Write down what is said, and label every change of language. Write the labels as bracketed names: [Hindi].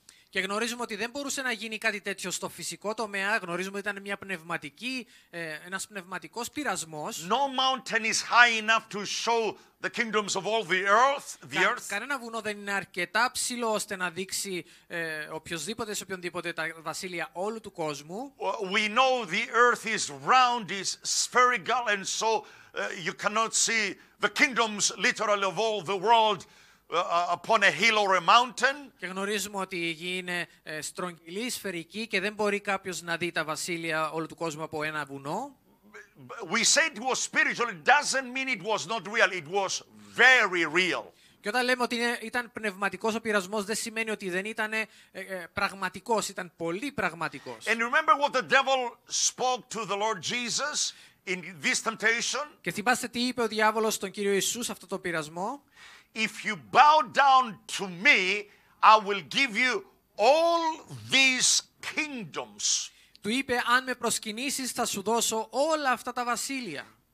[Greek] Και γνωρίζουμε ότι δεν μπορούσε να γίνει κάτι τέτοιο στο φυσικό τομέα. Γνωρίζουμε ότι ήταν μια πνευματική, ένας πνευματικός πειρασμός. [English] No mountain is high enough to show the kingdoms of all the earth. [Greek] Κανένα βουνό δεν είναι αρκετά ψηλό ώστε να δείξει οποιοδήποτε σε οποιονδήποτε τα βασίλεια όλου του κόσμου. [English] We know the earth is round, is spherical, and so you cannot see the kingdoms literally of all the world. Upon a hill or a mountain. [Greek] Και γνωρίζουμε ότι η γη είναι στρογγυλή, σφαιρική και δεν μπορεί κάποιος να δει τα βασίλεια όλου του κόσμου από ένα βουνό. [English] We say it was spiritual, it doesn't mean it was not real, it was very real. [Greek] Και όταν λέμε ότι ήταν πνευματικός ο πειρασμός, δεν σημαίνει ότι δεν ήταν πραγματικός, ήταν πολύ πραγματικός. [English] And remember what the devil spoke to the Lord Jesus in this temptation. [Greek] Και θυμάστε τι είπε ο διάβολος στον Κύριο Ιησού σε αυτό το πειρασμό. [English] If you bow down to me, I will give you all these kingdoms. [Greek] Του είπε, αν με προσκυνήσεις, θα σου δώσω όλα αυτά τα βασίλεια.